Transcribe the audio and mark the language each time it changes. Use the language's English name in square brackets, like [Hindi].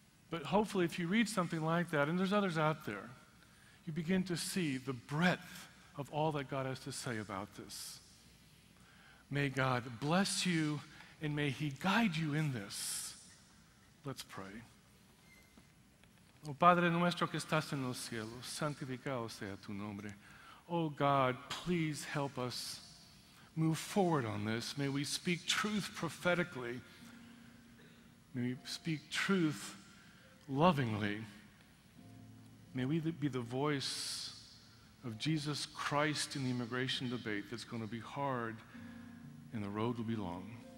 [English] But hopefully if you read something like that, and there's others out there, you begin to see the breadth of all that God has to say about this. May God bless you, and may He guide you in this. Let's pray. [Spanish] Oh, Padre nuestro que estás en los cielos, santificado sea tu nombre. [English] Oh, God, please help us move forward on this. May we speak truth prophetically. May we speak truth lovingly, may we be the voice of Jesus Christ in the immigration debate that's going to be hard and the road will be long.